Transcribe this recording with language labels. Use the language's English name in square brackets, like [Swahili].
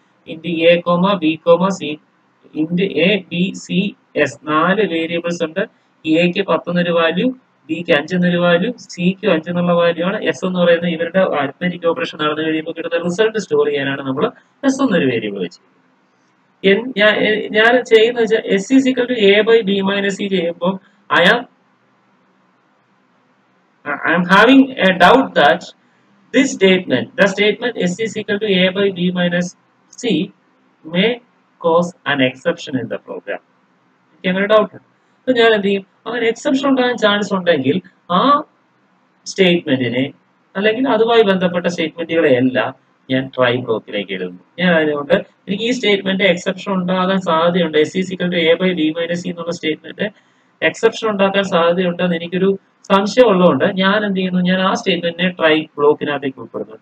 [Malayalam] ഇൻഡ് A comma B comma C, ഇൻഡ് A B C S നാല് വേരിയബിൾസ് ഉണ്ട്. എക്ക് പത്ത് എന്നൊരു വാല്യൂ, ബിക്ക് അഞ്ച് എന്നൊരു വാല്യൂ, സിക്ക് അഞ്ച് എന്നുള്ള വാല്യൂ ആണ്. എസ് എന്ന് പറയുന്നത് ഇവരുടെ അരിത്മെറ്റിക് ഓപ്പറേഷൻ നടന്നു കഴിയുമ്പോൾ കിട്ടുന്ന റിസൾട്ട് സ്റ്റോർ ചെയ്യാനാണ് നമ്മൾ എസ് എന്നൊരു വേരിയബിൾ വെച്ചത്. ഞാൻ ചെയ്യുന്ന വെച്ചാൽ S is equal to A by B minus C ചെയ്യുമ്പോൾ [English] I am having a doubt that this statement, the statement S is equal to A by B minus C may cause an exception in the program. [Malayalam] എനിക്കങ്ങനെ doubt ഉണ്ട്. അപ്പൊ ഞാൻ എന്ത് ചെയ്യും, അങ്ങനെ exception ഉണ്ടാകാൻ chance ഉണ്ടെങ്കിൽ ആ സ്റ്റേറ്റ്മെന്റിനെ അല്ലെങ്കിൽ അതുമായി ബന്ധപ്പെട്ട സ്റ്റേറ്റ്മെന്റുകളെ എല്ലാം ഞാൻ ട്രൈ ബ്ലോക്കിലേക്ക് എഴുതുന്നു. ഞാൻ അതിനോട് എനിക്ക് ഈ സ്റ്റേറ്റ്മെന്റ് എക്സെപ്ഷൻ ഉണ്ടാകാൻ സാധ്യതയുണ്ട്, S is equal to A by B minus C എന്നുള്ള സ്റ്റേറ്റ്മെന്റ് എക്സെപ്ഷൻ ഉണ്ടാക്കാൻ സാധ്യതയുണ്ട് എന്ന് എനിക്കൊരു സംശയം ഉള്ളതുകൊണ്ട് ഞാൻ എന്ത് ചെയ്യുന്നു, ഞാൻ ആ സ്റ്റേറ്റ്മെന്റിനെ ട്രൈ ബ്ലോക്കിനകത്തേക്ക് ഉൾപ്പെടുന്നു.